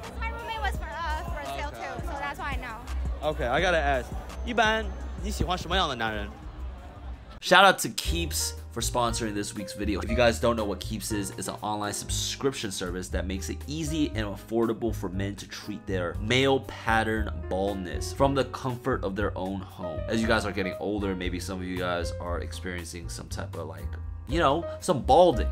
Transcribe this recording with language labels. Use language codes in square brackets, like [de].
[en] My roommate was from Brazil too, so that's why I know. Okay, I gotta ask. [zh] 一般你喜欢什么样的男人? [en] Shout out to Keeps for sponsoring this week's video. If you guys don't know what Keeps is, it's an online subscription service that makes it easy and affordable for men to treat their male pattern baldness from the comfort of their own home. As you guys are getting older, maybe some of you guys are experiencing some type of like, you know, some balding.